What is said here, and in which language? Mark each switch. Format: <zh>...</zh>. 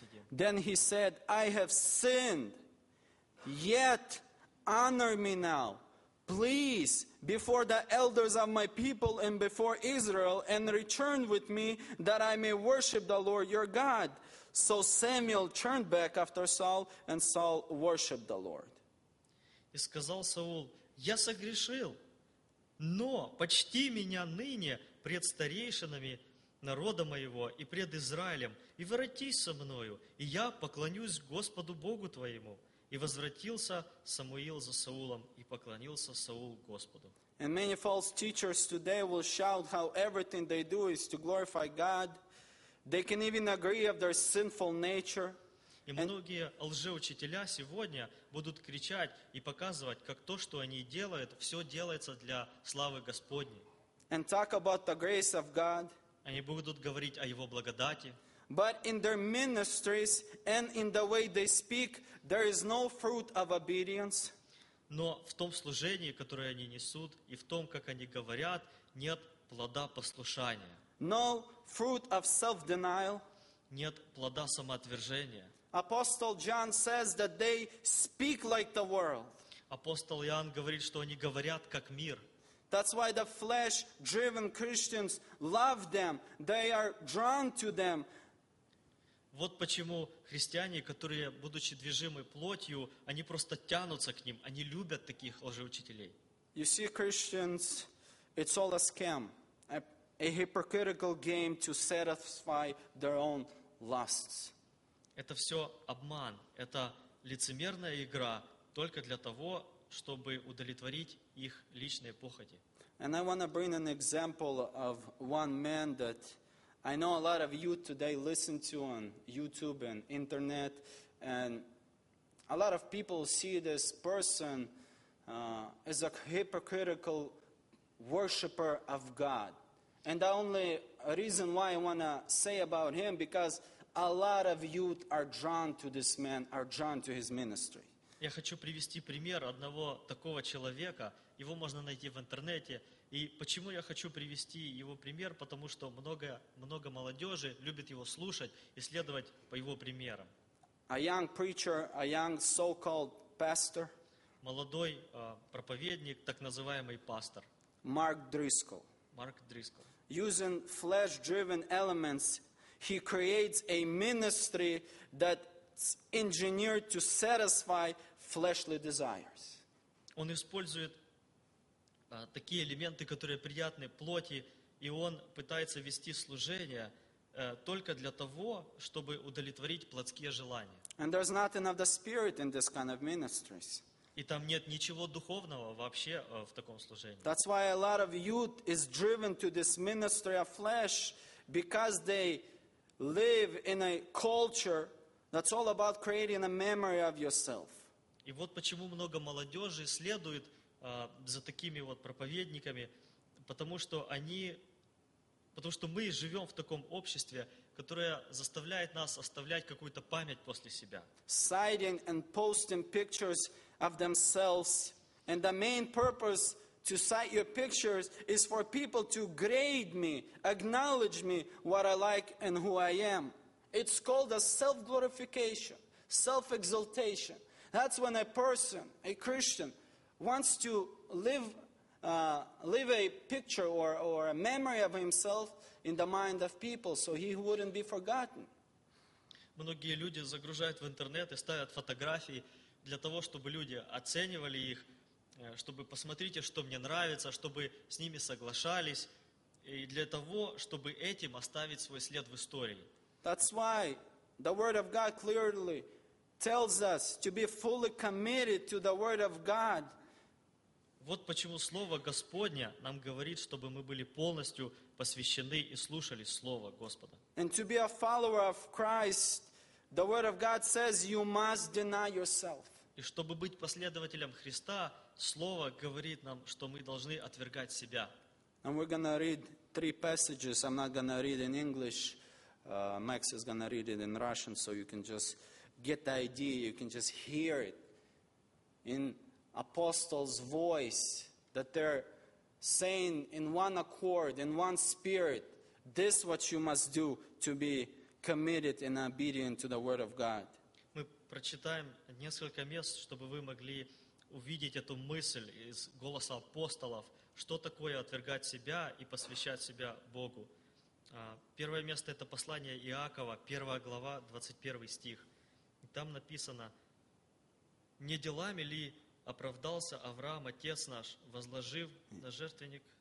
<en>Then he said, I have sinned, yet honor me now, please, before the elders of my people and before Israel, and return with me, that I may worship the Lord your God. So Samuel turned back after Saul, and Saul worshipped the Lord.</en> <ru>И сказал Саул: Я согрешил, но почти меня ныне пред старейшинами народа моего и пред Израилем, и воротись со мною, и я поклонюсь Господу Богу твоему. И возвратился Самуил за Саулом и поклонился Саул Господу.</ru> <en>And many false teachers today will shout how everything they do is to glorify God. They can even agree of their sinful nature.</en> <ru>И многие лжеучителя сегодня будут кричать и показывать, как то, что они делают, все делается для славы Господней.</ru> <en>And talk about the grace of God.</en> <ru>Они будут говорить о Его благодати.</ru> <en>But in their ministries and in the way they speak, there is no fruit of obedience.</en> <ru>Но в том служении, которое они несут, и в том, как они говорят, нет плода послушания.</ru> <en>No fruit of self-denial.</en> <ru>Нет плода самоотвержения.</ru> <en>Apostle John says that they speak like the world.</en> <ru>Апостол Иоанн говорит, что они говорят как мир.</ru> <en>That's why the flesh-driven Christians love them. They are drawn to them.</en> <ru>Вот почему христиане, которые, будучи движимы плотью, они просто тянутся к ним. Они любят таких лжеучителей.</ru> <en>You see, Christians, it's all a scam, a hypocritical game to satisfy their own lusts.</en> <ru>Это все обман. Это лицемерная игра только для того, чтобы удовлетворить их личные похоти.</ru> <en>And I want to bring an example of one man that I know a lot of you today listen to on YouTube and internet, and a lot of people see this person as a hypocritical worshiper of God. And the only reason why I want to say about him, because a lot of youth are drawn to this man, are drawn to his ministry.</en> <ru>Я хочу привести пример одного такого человека. Его можно найти в интернете. И почему я хочу привести его пример? Потому что много молодежи любит его слушать и следовать по его примерам.</ru> <en>A young preacher, a young so-called pastor.</en> <ru>Молодой проповедник, так называемый пастор.</ru> <en>Mark Driscoll.</en> <ru>Mark Driscoll.</ru> <en>Using flesh-driven elements, he creates a ministry that engineered to satisfy fleshly desires.</en> <ru>Он использует такие элементы, которые приятны плоти, и он пытается вести служение только для того, чтобы удовлетворить плотские желания.</ru> <en>And there's nothing of the spirit in this kind of ministries.</en> <ru>И там нет ничего духовного вообще в таком служении.</ru> <en>That's why a lot of youth is driven to this ministry of flesh, because they live in a culture that's all about creating a memory of yourself.</en> <ru>И вот почему много молодежи следует за такими вот проповедниками, потому что мы живем в таком обществе, которое заставляет нас оставлять какую-то память после себя.</ru> <en>Citing and posting pictures of themselves, and the main purpose to cite your pictures is for people to grade me, acknowledge me, what I like and who I am. It's called a self-glorification, self-exaltation. That's when a person, a Christian, wants to live a picture or a memory of himself in the mind of people, so he wouldn't be forgotten.</en> <ru>Многие люди загружают в интернет и ставят фотографии для того, чтобы люди оценивали их, чтобы посмотрите, что мне нравится, чтобы с ними соглашались, и для того, чтобы этим оставить свой след в истории.</ru> <en>That's why the Word of God clearly tells us to be fully committed to the Word of God.</en> <ru>Вот почему Слово Господне нам говорит, чтобы мы были полностью посвящены и слушали Слово Господа.</ru> <en>And to be a follower of Christ, the Word of God says you must deny yourself.</en> <ru>И чтобы быть последователем Христа, Слово говорит нам, что мы должны отвергать себя.</ru> <en>And we're going to read three passages. I'm not going to read in English. Max is going to read it in Russian, so you can just get the idea, you can just hear it in apostles' voice, that they're saying in one accord, in one spirit, this is what you must do to be committed and obedient to the Word of God.</en> <ru>Мы прочитаем несколько мест, чтобы вы могли увидеть эту мысль из голоса апостолов, что такое отвергать себя и посвящать себя Богу. Первое место – это послание Иакова, 1 глава, 21 стих. Там написано: «Не делами ли оправдался Авраам, отец наш, возложив на жертвенник</ru>